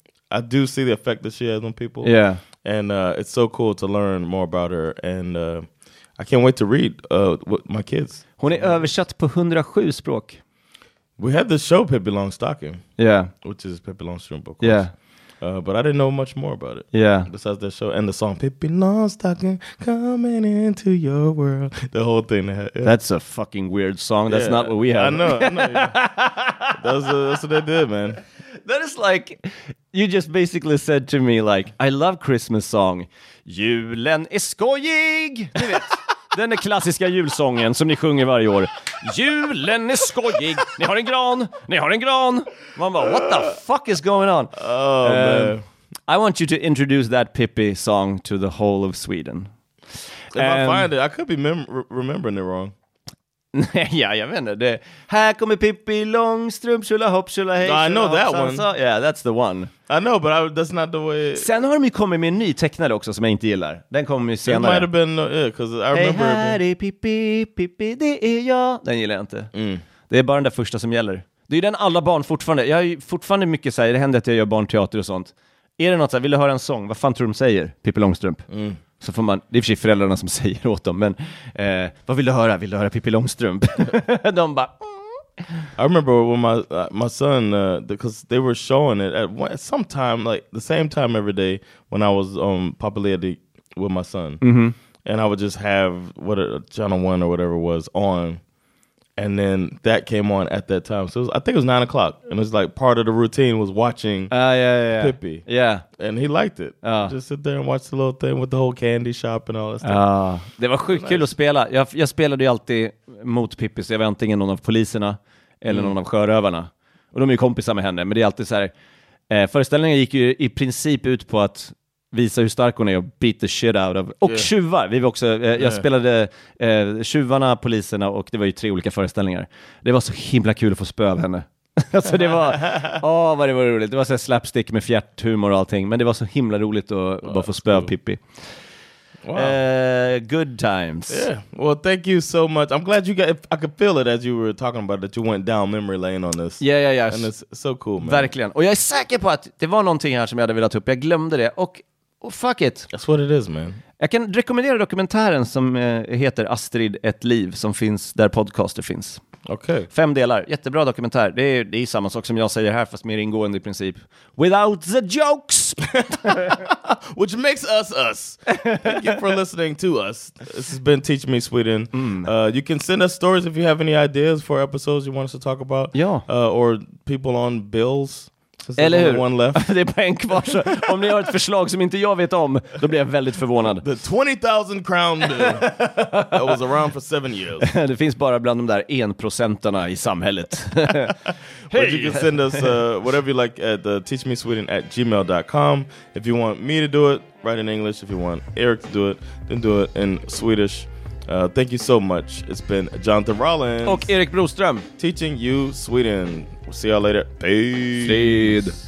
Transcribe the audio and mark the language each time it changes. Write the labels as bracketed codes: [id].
[en] I do see the effect that she has on people. Yeah. And it's so cool to learn more about her. And I can't wait to read with my kids. [sv] Hon är översatt på 107 språk. [en] We had this show, Pippi Longstocking. Yeah. Which is Pippi Longstrump, of course. Yeah. But I didn't know much more about it. Yeah. Besides that show and the song, Pippi Longstocking, coming into your world. The whole thing. Yeah. That's a fucking weird song. That's not what we have. I know. Yeah. That's what they did, man. That is like, you just basically said to me, like, I love Christmas song. [sv] Julen är skojig. Ni vet. Den är klassiska julsången som ni sjunger varje år. Julen är skojig. Ni har en gran. Ni har en gran. Man bara, [en] what the fuck is going on? Oh, man. I want you to introduce that Pippi song to the whole of Sweden. If I find it, I could be remembering it wrong. [sv] Ja, jag vet inte. Här kommer Pippi Långstrump, shula hopp, shula hej. [en] I know that one. So, yeah, that's the one. I know, but that's not the way... [sv] Sen har de ju kommit med en ny tecknare också som jag inte gillar. Den kommer ju senare. [en] It might have been... because I remember... [sv] Hey, här är Pippi, Pippi, det är jag. Den gillar jag inte. Det är bara den där första som gäller. Det är ju den alla barn fortfarande... Jag har ju fortfarande mycket såhär, det händer att jag gör barnteater och sånt. Är det något såhär, vill du höra en sång? Vad fan tror de säger, Pippi Långstrump? Så får man, det är för sig föräldrarna som säger åt dem, men vad vill du höra? Vill du höra Pippi Långstrump? De bara... [en] I remember when my son, because they were showing it at some time, like the same time every day when I was on Papaleti with my son. Mm-hmm. And I would just have Channel 1 or whatever was on. And then that came on at that time. So I think it was 9:00. And it was like part of the routine was watching Pippi. Yeah. And he liked it. Just sit there and watch the little thing with the whole candy shop and all that stuff. [sv] Det var sjukt kul att spela. Jag spelade ju alltid mot Pippi. Så jag var antingen någon av poliserna eller någon av sjörövarna. Och de är ju kompisar med henne. Men det är alltid så här. Föreställningen gick ju i princip ut på att visa hur stark hon är och [en] beat the shit out of. [sv] Och yeah. Tjuvar, vi var också, jag spelade tjuvarna, poliserna, och det var ju tre olika föreställningar. Det var så himla kul att få spö av henne. Alltså det var, åh vad det var roligt. Det var så slapstick med fjärthumor och allting. Men det var så himla roligt att bara få spö av Pippi. [en] Wow. Good times. Yeah. Well, thank you so much. I'm glad you got. I could feel it as you were talking about it, that you went down memory lane on this. Yeah. And it's so cool, man. [sv] Verkligen. Och jag är säker på att det var någonting här som jag hade velat ta upp. Jag glömde det. Och fuck it. [en] That's what it is, man. [sv] Jag kan rekommendera dokumentären som heter Astrid ett liv, som finns där podcaster finns. [en] Okej. Okay. [sv] 5 delar. Jättebra dokumentär. Det är samma sak som jag säger här, fast mer ingående i princip. [en] Without the jokes. Which makes us us. Thank you for listening to us. This has been Teach Me Sweden. You can send us stories if you have any ideas for episodes you want us to talk about. [sv] Ja. [en] Or people on bills. [sv] Eller hur? [en] One left. [sv] Det är bara en kvar. Så om ni har ett förslag som inte jag vet om, då blir jag väldigt förvånad. [en] The 20,000 crown bill that was around for 7 years. [sv] Det finns bara bland de där 1% i samhället. [en] Hey. But you can send us whatever you like at teachmesweden@gmail.com. If you want me to do it, write in English. If you want Eric to do it, then do it in Swedish. Thank you so much. It's been Jonathan Rollins [sv] och Erik Broström [en] teaching you Sweden. We'll see y'all later. Peace.